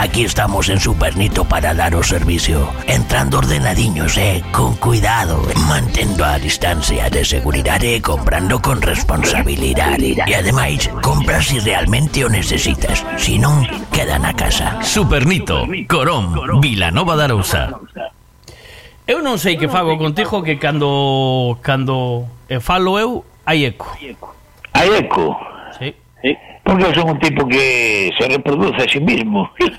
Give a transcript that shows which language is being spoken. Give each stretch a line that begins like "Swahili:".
Spanish: Aquí estamos en Supernito para dar el servicio,
Galician: entrando ordenadiños, con cuidado, mantendo a distancia de seguridad, comprando con responsabilidad.
Spanish: Y además, compra si realmente lo necesitas, si no,
Galician: quedan na casa. Supernito, Corón, Vilanova da Arousa. Eu non sei que fago contigo, que cando falo eu, hai eco. Hai eco? Sí. Sí. Porque eu son un tipo que se reproduce
Spanish: a sí mismo.